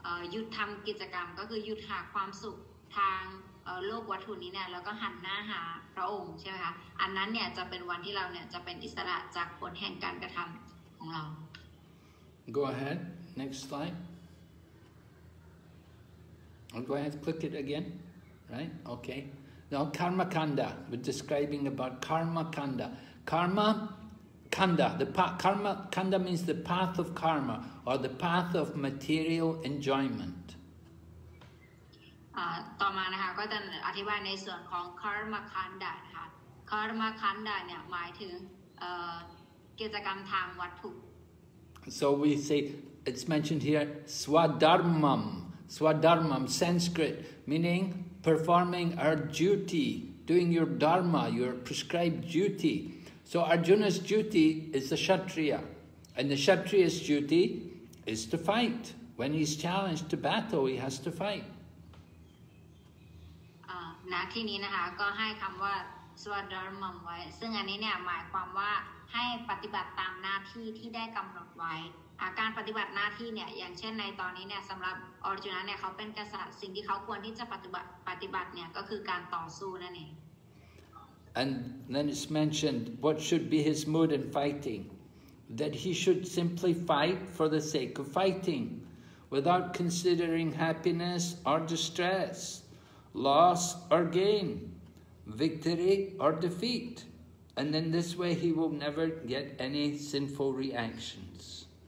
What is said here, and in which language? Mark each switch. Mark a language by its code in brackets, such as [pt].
[th] หยุดทำกิจกรรมก็คือหยุดหาความสุขทางโลกวัตถุนี้เนี่ยแล้วก็หันหน้าหาพระองค์ใช่ไหมคะอันนั้นเนี่ยจะเป็นวันที่เราเนี่ยจะเป็นอิสระจากผลแห่งการกระทำของเรา [en] Go ahead next slide I'll go ahead click it again right okay now karma kanda we're describing about karma kanda karma kanda the karma kanda means the path of karma or the path of material enjoyment [th] ต่อมานะคะก็จะอธิบายในส่วนของ karma kanda นะคะ karma kanda เนี่ยหมายถึงกิจกรรมทางวัตถุ [en] so we say it's mentioned here swadharmam swadharmam sanskrit meaning performing our duty doing your dharma your prescribed dutySo Arjuna's duty is the Kshatriya, and the Kshatriya's duty is to fight. When he's challenged to battle, he has to fight. [th] ณที่นี้นะคะก็ให้คำว่าสวัสดิ์ดรมมไว้ซึ่งอันนี้เนี่ยหมายความว่าให้ปฏิบัติตามหน้าที่ที่ได้กำหนดไว้การปฏิบัติหน้าที่เนี่ยอย่างเช่นในตอนนี้เนี่ยสำหรับอร์จุนะเนี่ยเขาเป็นกษัตริย์สิ่งที่เขาควรที่จะปฏิบัติเนี่ยก็คือการต่อสู้นั่นเอง [en] And then it's mentioned what should be his mood in fighting, that he should simply fight for the sake of fighting, without considering happiness or distress, loss or gain, victory or defeat, and in this way he will never get any sinful reactions.